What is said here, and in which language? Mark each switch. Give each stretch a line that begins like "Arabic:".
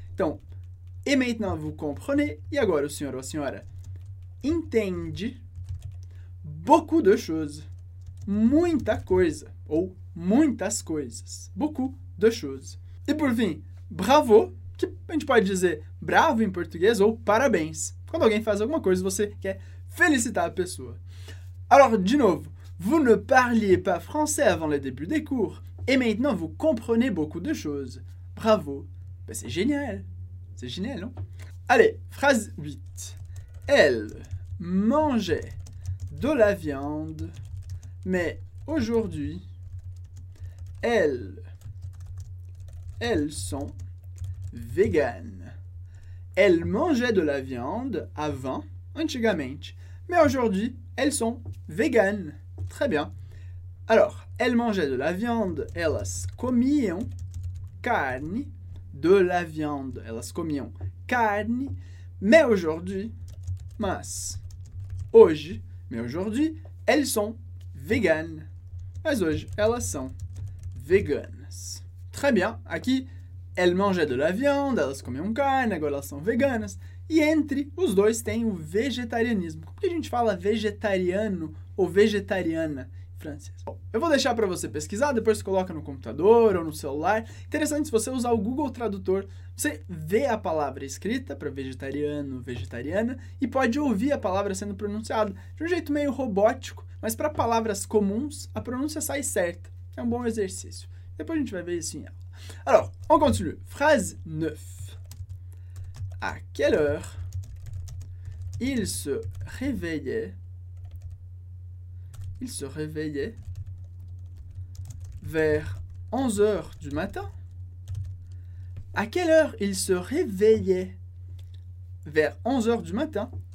Portuguese: Então,
French: et maintenant, vous comprenez,
Portuguese: e agora, o senhor ou a senhora, entende,
French: beaucoup de choses,
Portuguese: muita coisa, ou muitas coisas.
French: Beaucoup de choses.
Portuguese: E por fim, bravo, que a gente pode dizer bravo em português ou parabéns. Quando alguém faz alguma coisa, você quer felicitar a pessoa.
French: Alors,
Portuguese: de novo,
French: vous ne parliez pas français avant le début des cours et maintenant vous comprenez beaucoup de choses. Bravo. Ben, c'est génial. C'est génial, non? Allez, phrase 8. Elle mangeait de la viande, mais aujourd'hui, elles sont véganes. Elles mangeaient de la viande avant,
Portuguese: antigamente,
French: mais aujourd'hui, elles sont véganes. Très bien. Alors, elles mangeaient de la viande,
Portuguese: elas comiam carne,
French: de la viande, elas comiam carne, mais aujourd'hui,
Portuguese: mas, hoje,
French: mais aujourd'hui, elles sont véganes.
Portuguese: Mas hoje, elas são veganas.
French: Très bien.
Portuguese: Aqui,
French: elle mangeait de la viande,
Portuguese: elles comiam carne, agora elas são veganas. E entre os dois tem o vegetarianismo. Como que a gente fala vegetariano ou vegetariana em francês? Bom, eu vou deixar para você pesquisar, depois você coloca no computador ou no celular. Interessante, se você usar o Google Tradutor, você vê a palavra escrita para vegetariano, vegetariana, e pode ouvir a palavra sendo pronunciada de um jeito meio robótico, mas para palavras comuns, a pronúncia sai certa. É um bom exercício. Depois a gente vai ver isso em aula.
French: Alors, on continue. Phrase 9. À quelle heure il se réveillait vers 11h du matin? À quelle heure il se réveillait vers 11h du matin?